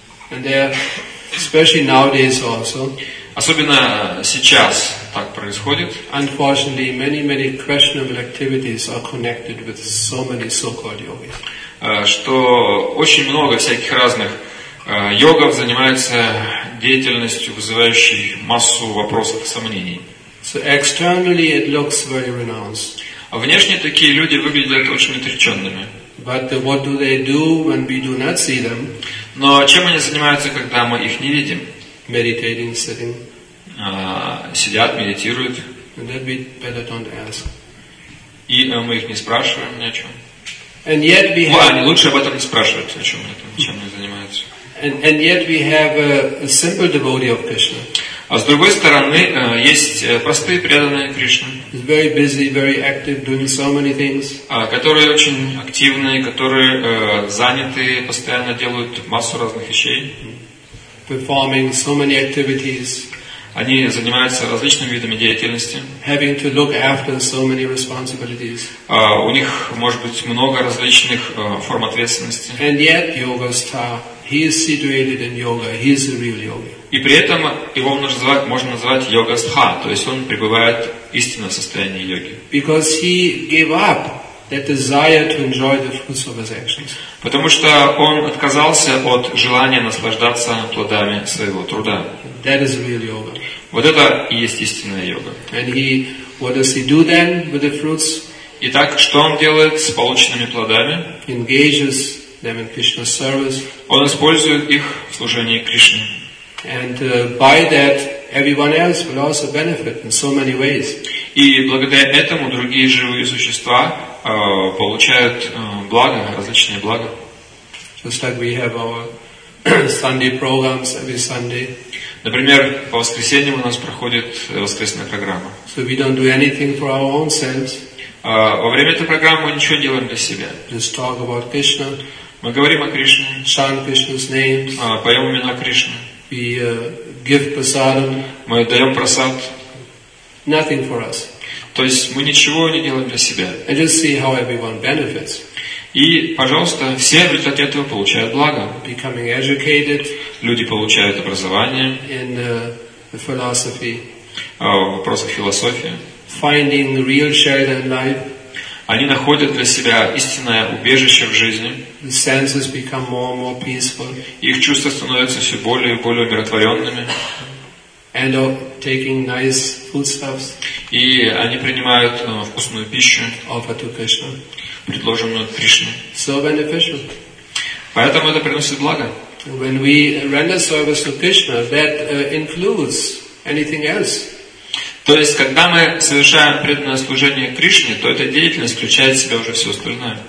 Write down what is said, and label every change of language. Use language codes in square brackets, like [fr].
[en] And they are, especially nowadays also. [ru] Особенно сейчас так происходит. [en] Unfortunately, many, many questionable activities are connected with so many so-called yogis. [ru] Что очень много всяких разных йогов занимаются деятельностью, вызывающей массу вопросов и сомнений. [en] So externally it looks very renounced. [ru] А внешне такие люди выглядят очень отреченными. [en] But what do they do when we do not see them? [ru] Но чем они занимаются, когда мы их не видим? [en] Meditating, sitting. [ru] Сидят, медитируют. [en] And that we better don't ask. [ru] И мы их не спрашиваем ни о чем. [en] And yet we have... [ru] они лучше об этом не спрашивают, о чем они там, чем они занимаются. [en] And yet we have a simple devotee of Krishna. [ru] А с другой стороны, есть простые преданные Кришне. [en] He's very busy, very active, doing so many things. [ru] Которые очень активные, которые заняты, постоянно делают массу разных вещей. [en] Performing so many activities. [ru] Они занимаются различными видами деятельности. [en] Having to look after so many responsibilities. [ru] У них может быть много различных форм ответственности. [en] And yet, yoga star, he is situated in yoga. He is a real yogi. [ru] И при этом его можно называть йога-стха, то есть он пребывает в истинном состоянии йоги. [en] Because he gave up that desire to enjoy the fruits of his actions. [ru] Потому что он отказался от желания наслаждаться плодами своего труда. [en] That is real yoga. [ru] Вот это и есть истинная йога. [en] And he, what does he do then with the fruits? [ru] Итак, что он делает с полученными плодами? [en] Engages them in Krishna's service. [ru] Он использует их в служении Кришне. [en] And by that, everyone else will also benefit in so many ways. [ru] И благодаря этому другие живые существа получают благо, различные блага. [en] Just like we have our Sunday programs every Sunday. [ru] Например, по воскресеньям у нас проходит воскресная программа. [en] So we don't do anything for our own sense. [ru] Во время этой программы мы ничего не делаем для себя. [en] Just talk about Krishna. [ru] Мы говорим о Кришне. [en] Chant Krishna's names. [ru] Поем имена Кришны. [en] We give prasadam. [ru] Мы даем прасад. [en] Nothing for us. [ru] То есть мы ничего не делаем для себя. [en] And just see how everyone benefits. [ru] И, пожалуйста, все в результате этого получают благо. [en] Becoming educated. [ru] Люди получают образование. [en] In the philosophy. [ru] Вопросы философии. [en] Finding real shelter in life. [ru] Они находят для себя истинное убежище в жизни. [en] The senses become more and more peaceful. [ru] Их чувства становятся все более и более умиротворенными. [en] End up taking nice foodstuffs. [ru] И они принимают вкусную пищу. [en] Offer to Krishna. [ru] Предложенную Кришне. [en] So beneficial. [ru] Поэтому это приносит благо. [en] When we render service to Krishna, that includes anything else. [ru] То есть, когда мы совершаем преданное служение Кришне, то эта деятельность включает в себя уже все остальное.